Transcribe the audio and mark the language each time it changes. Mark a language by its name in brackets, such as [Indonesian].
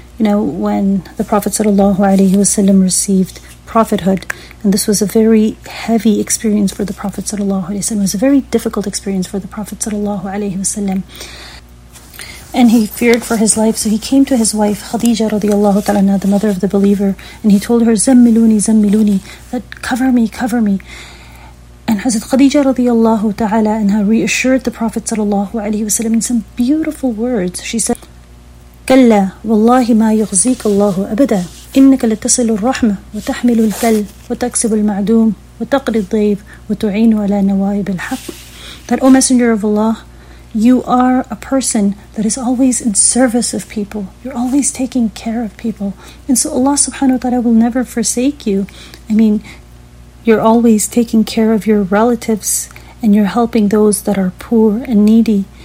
[English] You know, when the Prophet ﷺ received prophethood, and this was a very heavy experience for the Prophet sallallahu alaihi wasallam. It was a very difficult experience for the Prophet sallallahu alaihi wasallam, and he feared for his life. So he came to his wife Khadija radiallahu ta'ala anha, the mother of the believer, and he told her, [Arabic] "Zammiluni, zammiluni," [English] that cover me, cover me. And Hazrat Khadija radiallahu ta'ala anha reassured the Prophet sallallahu alaihi wasallam in some beautiful words. She said, [Arabic] "Kalla, wallahi ma yughzik Allahu abada." إنك لتصل الرحمة وتحمل الكل وتكسب المعدوم وتقضي الضيف وتعين على نوائب الحق. [English] That, O Messenger of Allah, you are a person that is always in service of people. You're always taking care of people. And so Allah subhanahu wa ta'ala will never forsake you. I mean, you're always taking care of your relatives and you're helping those that are poor and needy.